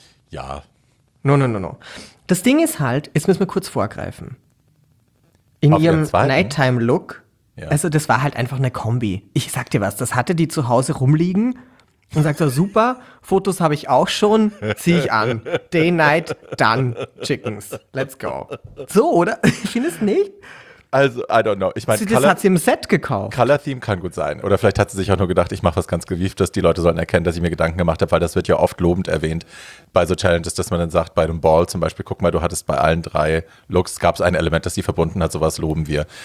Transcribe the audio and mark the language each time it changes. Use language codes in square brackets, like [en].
[de] Ja. [en] No. [de] Das Ding ist halt, jetzt müssen wir kurz vorgreifen. In auf ihrem Nighttime-Look, ja. Also das war halt einfach eine Kombi. Ich sag dir was, das hatte die zu Hause rumliegen und sagt so, super, Fotos habe ich auch schon, zieh ich an. [en] Day, night, done, chickens, let's go. [de] So, oder? Ich finde es nicht. Also, [en] I don't know. [de] Ich meine, das hat sie im Set gekauft. Color-Theme kann gut sein. Oder vielleicht hat sie sich auch nur gedacht, ich mache was ganz Gewieftes. Die Leute sollen erkennen, dass ich mir Gedanken gemacht habe, weil das wird ja oft lobend erwähnt bei so Challenges, dass man dann sagt, bei einem Ball zum Beispiel, guck mal, du hattest bei allen drei Looks, gab es ein Element, das sie verbunden hat, sowas loben wir.